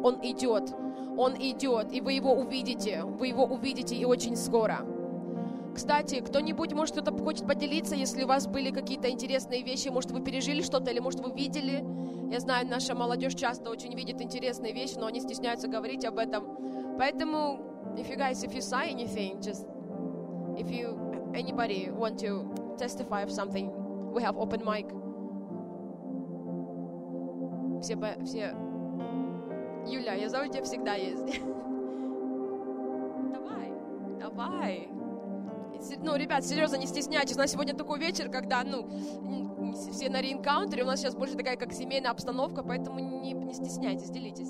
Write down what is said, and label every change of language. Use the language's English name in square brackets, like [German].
[Russian] Он идет, и вы его увидите, и очень скоро. Кстати, кто-нибудь, может, кто-то хочет поделиться, если у вас были какие-то интересные вещи, может, вы пережили что-то, или, может, вы видели. Я знаю, наша молодежь часто очень видит интересные вещи, но они стесняются говорить об этом. Поэтому, нифига, [English] if you saw anything, just, if you, anybody want to testify of something, we have open mic. [Russian] Все, Юля, я знаю, у тебя всегда есть. Давай. Ну, ребят, серьезно, не стесняйтесь. У нас сегодня такой вечер, когда, ну, все на реинкаунтере. У нас сейчас больше такая, как семейная обстановка, поэтому не стесняйтесь, делитесь.